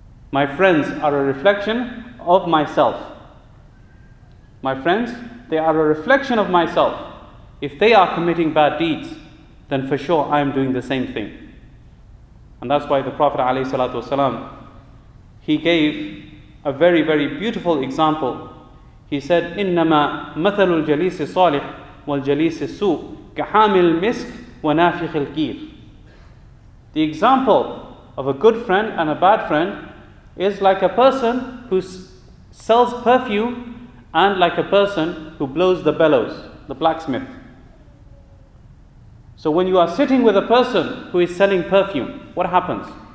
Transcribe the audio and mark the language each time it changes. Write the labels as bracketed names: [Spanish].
[English] My friends are a reflection of myself. My friends, they are a reflection of myself. If they are committing bad deeds, then for sure I am doing the same thing. And that's why the Prophet ﷺ, he gave a very, very beautiful example. He said, [Arabic] إِنَّمَا مَثَلُ الْجَلِيسِ الصَّالِحِ وَالْجَلِيسِ السُّوءِ كَحَامِ الْمِسْكِ وَنَافِخِ الْكِيرِ. [English] The example of a good friend and a bad friend is like a person who sells perfume and like a person who blows the bellows, the blacksmith. So when you are sitting with a person who is selling perfume, what happens?